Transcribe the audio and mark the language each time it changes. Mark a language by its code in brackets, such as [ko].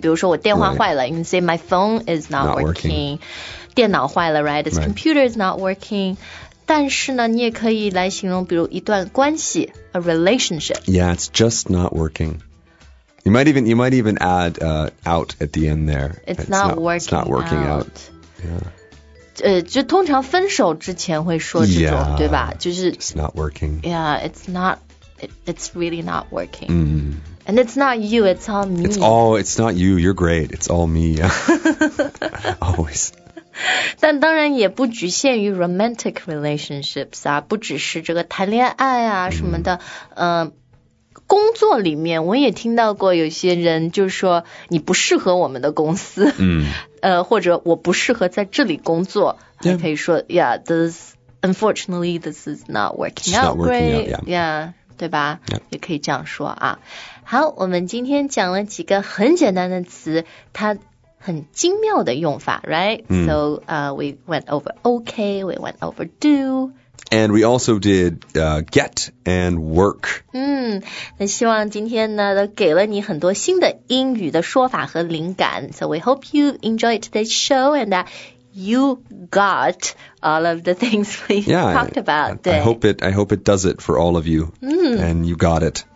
[zh] 比如说我电话坏了 [en] You can say my phone is not working. [zh] 电脑坏了 [en] right? This computer is not working. [zh] 但是呢你也可以来形容比如一段关系 [en] A relationship. Yeah, it's just not working. You might even add out at the end there. It's not working out. Yeah. [zh] 就通常分手之前会说这种 [en] yeah, [zh] 对吧就是 [en] It's not working. Yeah, it's really not working. Mm-hmm. And it's not you, it's all me. It's not you, you're great. It's all me. Always. [zh] 但当然也不局限于 romantic relationships 啊，不只是这个谈恋爱啊什么的。工作里面我也听到过有些人就说你不适合我们的公司。或者我不适合在这里工作。 [en] Yeah. [zh] 可以说 [en] yeah, unfortunately, this is not working out great. It's not working out, yeah. Yeah. [zh] 对吧、 [en] yep. [zh] 也可以这样说啊。好我们今天讲了几个很简单的词它很精妙的用法 right?、 Mm. [en] So, we went over okay, we went over do. And we also did, get and work. [zh] 那希望今天呢都给了你很多新的英语的说法和灵感。 [en] So we hope you enjoyed today's show and that you got... All of the things we yeah, talked about. I hope it does it for all of you. And you got it.